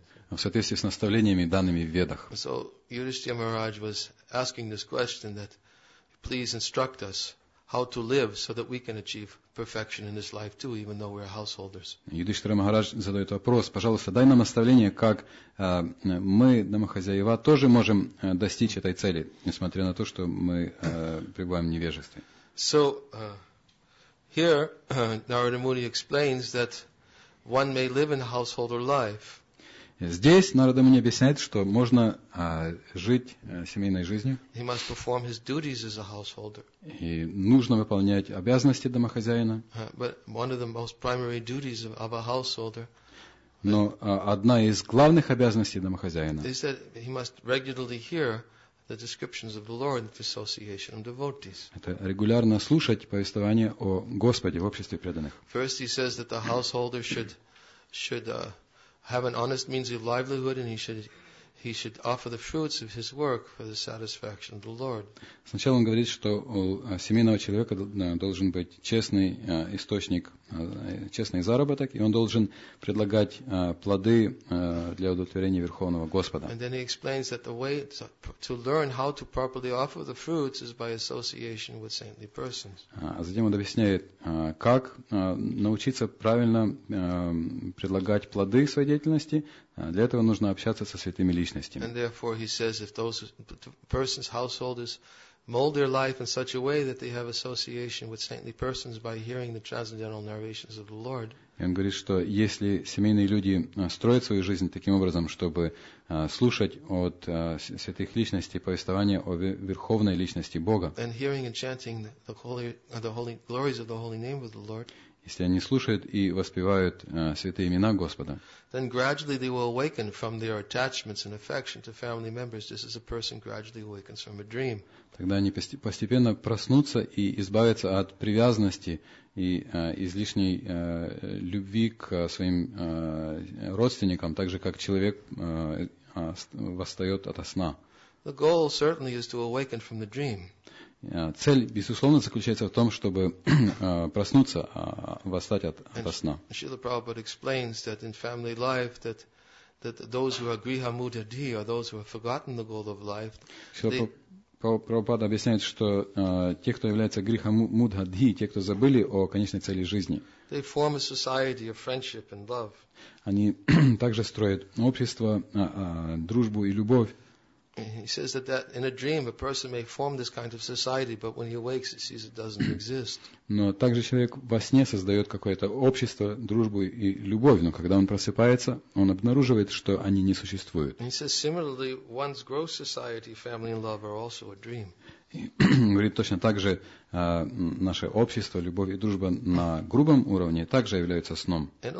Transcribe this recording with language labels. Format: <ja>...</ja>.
<ru>В соответствии с наставлениями, данными в Ведах.</ru> <en>So Yudhishthira Maharaj was asking this question that please instruct us how to live so that we can achieve perfection in this life too, even though we're householders.</en> <ru>Юдиштхира Махарадж задает вопрос: пожалуйста, дай нам наставление, как мы, домохозяева, тоже можем достичь этой цели, несмотря на то, что мы пребываем в невежестве.</ru> <en>So, here Narada Muni explains that one may live in householder life.</en> <ru>Здесь Нарада Муни объясняет, что можно жить семейной жизнью.</ru> <en>He must perform his duties as a householder.</en> <ru>И нужно выполнять обязанности домохозяина.</ru> <en>But one of the most primary duties of a householder.</en> <ru>Но одна из главных обязанностей домохозяина.</ru> <en>Is that he must regularly hear the descriptions of the Lord at the association of devotees.</en> <ru>Это регулярно слушать повествование о Господе в обществе преданных.</ru> <en>First he says that the householder should have an honest means of livelihood, and he should offer the fruits of his work for the satisfaction of the Lord.</en> <ru>Сначала он говорит, что у семейного человека должен быть честный источник, честный заработок, и он должен предлагать плоды для удовлетворения Верховного Господа.</ru> <en>And then he explains that the way to learn how to properly offer the fruits is by association with saintly persons.</en> <ru>А затем он объясняет, как научиться правильно предлагать плоды своей деятельности. Для этого нужно общаться со святыми личностями.</ru> <en>And therefore he says if those persons, householders, mold their life in such a way that they have association with saintly persons by hearing the transcendental narrations of the Lord.</en> <ru>И он говорит, что если семейные люди строят свою жизнь таким образом, чтобы слушать от святых личностей повествование о верховной личности Бога.</ru> <en>And hearing and chanting the holy glories of the holy name of the Lord.</en> <ru>Если они слушают и воспевают святые имена Господа,</ru> <en>then gradually they will awaken from their attachments and affection to family members, just as a person gradually awakens from a dream.</en> <ru>Тогда они постепенно проснутся и избавятся от привязанности и излишней любви к своим родственникам, так же как человек восстает ото сна.</ru> <en>The goal certainly is to awaken from the dream.</en> <ru>Цель, безусловно, заключается в том, чтобы проснуться, восстать от сна.</ru> <en>Шрила Прабхупада explains that in family life that those who are griha mudadhi or those who have forgotten the goal of life.</en> <ru>Прабхупада объясняет, что те, кто является гриха мудхадхи, те, кто забыли о конечной цели жизни,</ru> <en>they form a society of friendship and love.</en> <ru>Они также строят общество, дружбу и любовь.</ru> <en>He says that in a dream a person may form this kind of society, but when he awakes, he sees it doesn't exist.</en> <ru>Но также человек во сне создает какое-то общество, дружбу и любовь, но когда он просыпается, он обнаруживает, что они не существуют.</ru> <en>He says similarly, one's gross society, family, and love are also a dream.</en> <ru>говорит точно так же, наше общество, любовь и дружба на грубом уровне также являются сном.</ru>